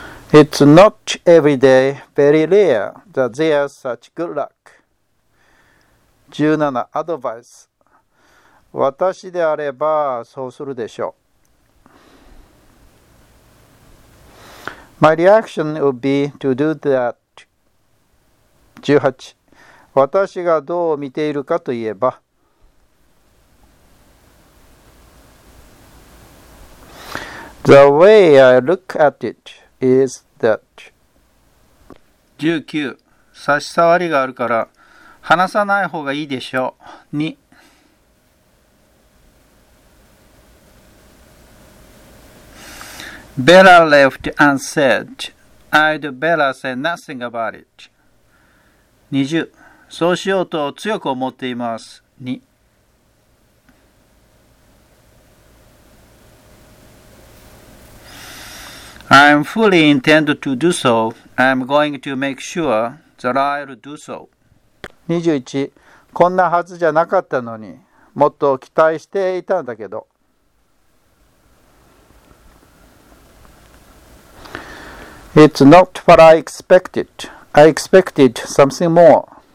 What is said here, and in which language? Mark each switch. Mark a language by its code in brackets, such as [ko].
[en] It's not every day, very rare, that there's such good luck. 17. Advice. [ja] 私であればそうするでしょう。 [en] My reaction would be to do that. 18. [ja] 私がどう見ているかといえば。 [en] The way I look at it. Is that 19. [ja] 差し障りがあるから話さない方がいいでしょう。 [en] 2. Bella left unsaid. I'd better say nothing about it. 20. [ja] そうしようと強く思っています。 [en] 2. I fully intend to do so. I'm going to make sure that I'll do so. 21. [ja] こんなはずじゃなかったのに、もっと期待していたんだけど。 [en] It's not what I expected. I expected something more.